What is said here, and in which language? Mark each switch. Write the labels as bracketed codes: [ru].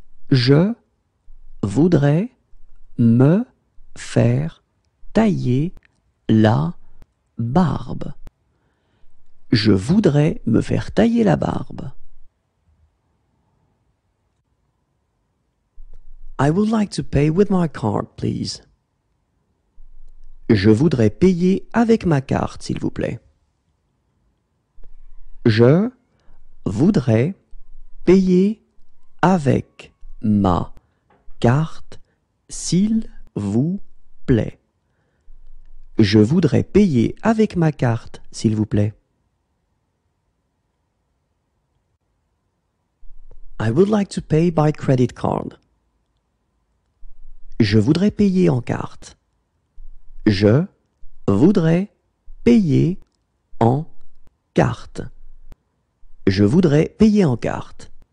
[fr] Je voudrais me faire tailler la barbe. Je voudrais me faire tailler la barbe. [en] I would like to pay with my card, please. [fr] Je voudrais payer avec ma carte, s'il vous plaît. Je voudrais payer avec ma carte, s'il vous plaît. Je voudrais payer avec ma carte, s'il vous plaît. [en] I would like to pay by credit card. [fr] Je voudrais payer en carte. Je voudrais payer en carte. Je voudrais payer en carte.